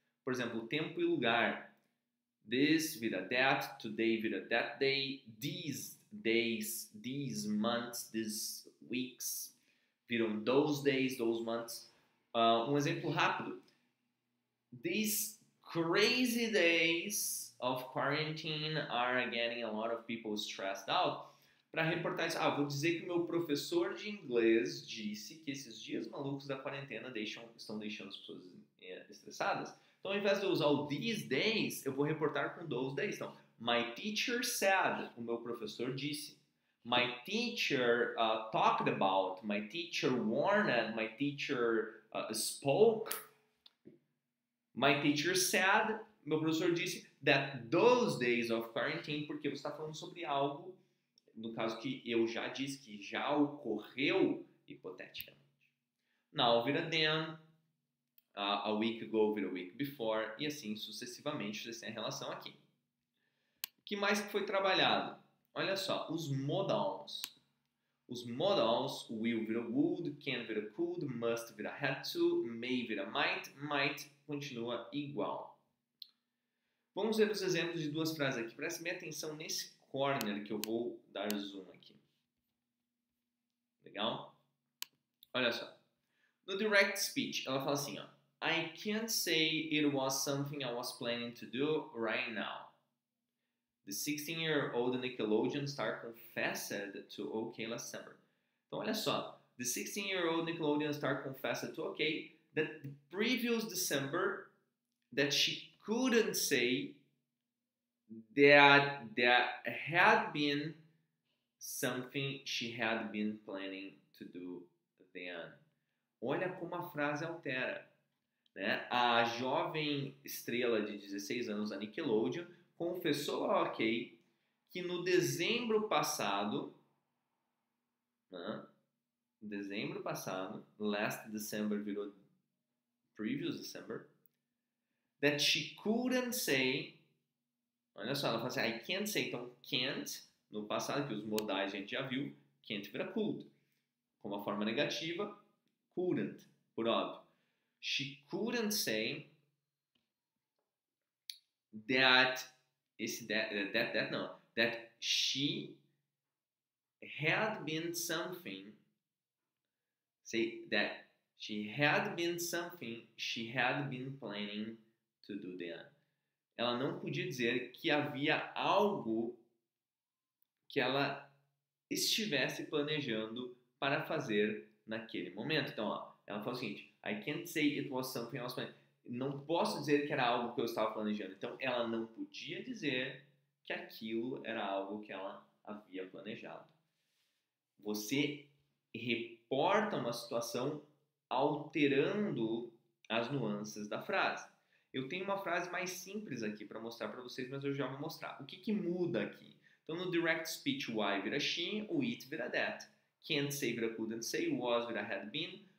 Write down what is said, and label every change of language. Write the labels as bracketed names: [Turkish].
[Portuguese] Por exemplo, tempo e lugar. This vira that, today vira that day, these days, these months, these weeks, viram those days, those months. Um exemplo rápido. [English] These crazy days of quarantine are getting a lot of people stressed out. [Portuguese] Para reportar isso, vou dizer que o meu professor de inglês disse que esses dias malucos da quarentena estão deixando as pessoas estressadas. Então, ao invés de eu usar o these days, eu vou reportar com those days. Então, [English] my teacher said, [Portuguese] o meu professor disse. [English] my teacher talked about, my teacher warned, my teacher spoke, my teacher said, [Portuguese] meu professor disse, [English] that those days of quarantine, [Portuguese] porque você está falando sobre algo, no caso que eu já disse, que já ocorreu, hipoteticamente. Now, vira then, a week ago, vira a week before, e assim sucessivamente, você tem a relação aqui. O que mais foi trabalhado? Olha só, os modals. Os modals, will vira would, can vira could, must vira had to, may vira might, might continua igual. Vamos ver os exemplos de duas frases aqui. Preste bem atenção nesse corner que eu vou dar zoom aqui. Legal? Olha só. No [English] direct speech, [Portuguese] ela fala assim, ó, [English] I can't say it was something I was planning to do right now. The 16-year-old Nickelodeon star confessed to OK last summer. [Portuguese] Então, olha só. [English] The 16-year-old Nickelodeon star confessed to OK that the previous December that she couldn't say that that had been something she had been planning to do then. [Portuguese] Olha como a frase altera. Né? A jovem estrela de 16 anos, a Nickelodeon, confessou ao OK que no dezembro passado, né? Dezembro passado, last December virou previous December, [English] that she couldn't say, [Portuguese] olha só, ela fala assim, [English] I can't say, [Portuguese] então can't, no passado, que os modais a gente já viu, can't vira could, com uma forma negativa, couldn't, por óbvio. [English] She couldn't say that, esse that, that, that não, that she had been something, say that she had been something she had been planning to do then. [Portuguese] Ela não podia dizer que havia algo que ela estivesse planejando para fazer naquele momento. Então, ó, ela fala o seguinte, [English] I can't say it was something I was planning. [Portuguese] Não posso dizer que era algo que eu estava planejando. Então, ela não podia dizer que aquilo era algo que ela havia planejado. Você reporta uma situação alterando as nuances da frase. Eu tenho uma frase mais simples aqui para mostrar para vocês, mas eu já vou mostrar. O que que muda aqui? Então, no direct speech, why vira she, o it vira that. Can't say vira couldn't say, was vira had been.